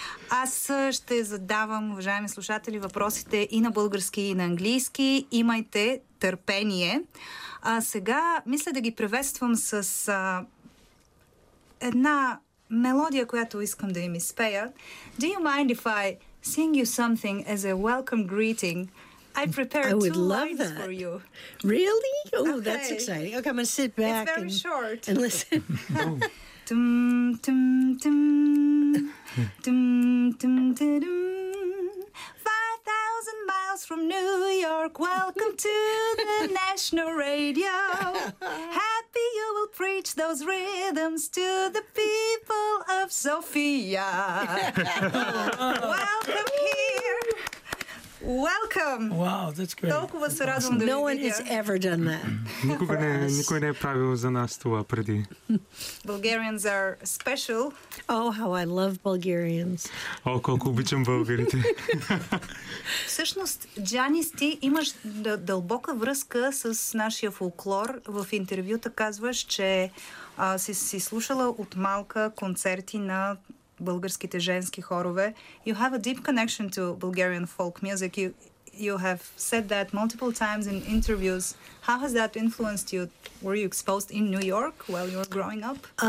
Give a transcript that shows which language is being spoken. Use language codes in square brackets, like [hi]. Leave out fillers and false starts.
[bg] Аз ще задавам, уважаеми слушатели, въпросите и на български, и на английски. Имайте търпение. А сега мисля да ги приветствам с една мелодия, която искам да им изпея. [en] Do you mind if I sing you something as a welcome greeting? I prepared two lines that. For you. Really? Oh, okay. That's exciting. Okay, I'm going to sit back. It's very and, short. And listen. Tum tum tum tum tum tum. 5,000 miles from New York, welcome to the national radio. Happy you will preach those rhythms to the people of Sofia. Welcome here. Welcome. Wow, that's great. [bg] Толкова се радвам да ви видя. [en] No one has ever done that. [bg] Никой не е правил за нас това преди. [en] Bulgarians are special. Oh, how I love Bulgarians. [bg] О, колко обичам българите. Всъщност, Джанис, ти имаш дълбока връзка с нашия фолклор. В интервюта казваш, че си слушала от малка концерти на българските женски хорове. [en] You have a deep connection to Bulgarian folk music. You have said that multiple times in interviews. How has that influenced you? Were you exposed in New York while you were growing up?